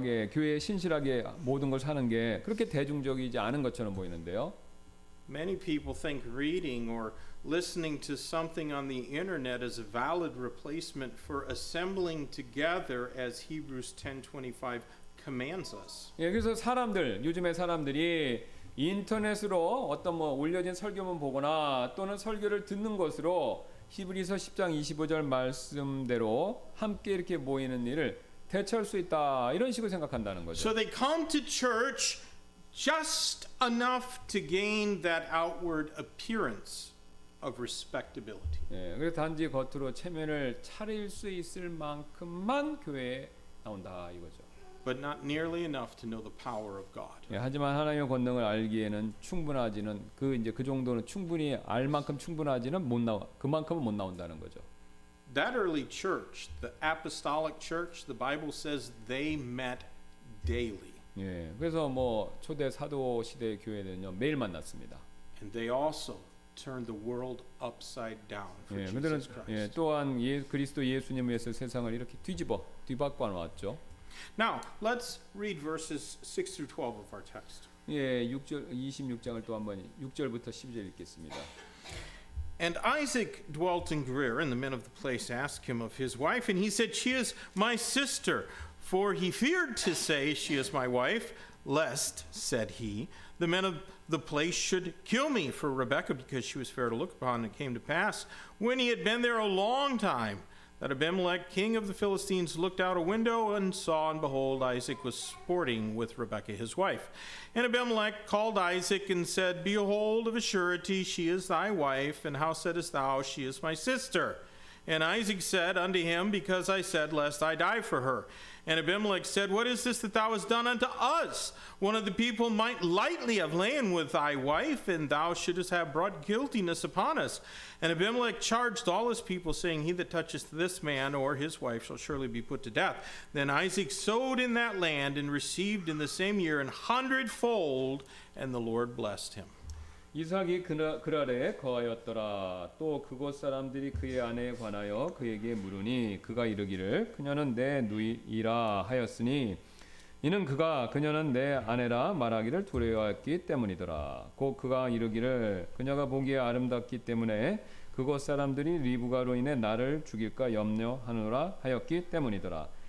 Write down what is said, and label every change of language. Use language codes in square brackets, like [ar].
[ko] 교회에 신실하게 모든 걸 사는 게 그렇게 대중적이지 않은 것처럼 보이는데요. [en] Many people think reading or listening to something on the internet is a valid replacement for assembling together as Hebrews 10:25 commands us. [ko] 예, 그래서 사람들, 요즘에 사람들이 인터넷으로 어떤 뭐 올려진 설교만 보거나 또는 설교를 듣는 것으로 히브리서 10장 25절 말씀대로 함께 이렇게 모이는 일을 대체할 수 있다. 이런 식으로 생각한다는 거죠. [en] So they come to church just enough to gain that outward appearance of respectability. [ko] 예, 그래서 단지 겉으로 체면을 차릴 수 있을 만큼만 교회에 나온다 이거죠. [en] But not nearly enough to know the power of God. [ko] 예, 하지만 하나님의 권능을 알기에는 충분하지는 그 정도는 충분히 알 만큼 충분하지는 못 나와 그만큼은 못 나온다는 거죠. [en] That early church, the apostolic church, the Bible says they met daily. [ko] 예, 그래서 뭐 초대 사도 시대 교회는요 매일 만났습니다. [en] And they also turned the world upside down for Jesus Christ. [ko] 예, 그들은 예, 또한 그리스도 예수님을 위해서 세상을 이렇게 뒤집어 뒤바꿔 놓았죠. [en] Now, let's read verses 6 through 12 of our text. [ko] 예, 6절 26장을 또 한번 6절부터 12절 읽겠습니다. [en] And Isaac dwelt in Gerar, and the men of the place asked him of his wife, and he said, "She is my sister." For he feared to say, "She is my wife," lest, said he, the men of the place should kill me for Rebekah, because she was fair to look upon. It came to pass, when he had been there a long time, that Abimelech, king of the Philistines, looked out a window and saw, and behold, Isaac was sporting with Rebekah, his wife. And Abimelech called Isaac and said, "Behold, of a surety, she is thy wife, and how saidest thou, she is my sister?" And Isaac said unto him, "Because I said, lest I die for her." And Abimelech said, "What is this that thou hast done unto us? One of the people might lightly have lain with thy wife, and thou shouldest have brought guiltiness upon us." And Abimelech charged all his people, saying, "He that touches this man or his wife shall surely be put to death." Then Isaac sowed in that land and received in the same year an hundredfold, and the Lord blessed him. [ko] 이삭이 그랄에 거하였더라. 또 그곳 사람들이 그의 아내에 관하여 그에게 물으니 그가 이르기를 그녀는 내 누이라 하였으니 이는 그가 그녀는 내 아내라 말하기를 두려워했기 때문이더라. 곧 그가 이르기를 그녀가 보기에 아름답기 때문에 그곳 사람들이 리브가로 인해 나를 죽일까 염려하느라 하였기 때문이더라.